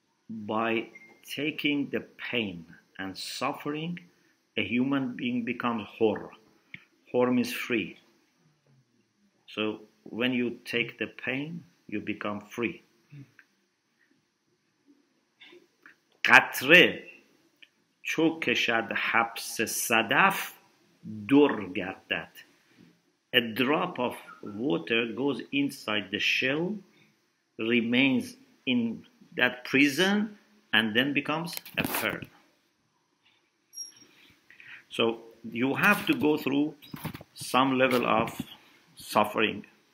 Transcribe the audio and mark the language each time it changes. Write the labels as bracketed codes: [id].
[en] By taking the pain and suffering, a human being becomes hur. Hur means free. So when you take the pain, you become free. [fa] قطره چو کشد حبس صدف در گردد. [en] A drop of water goes inside the shell, remains in that prison and then becomes a pearl. So you have to go through some level of suffering.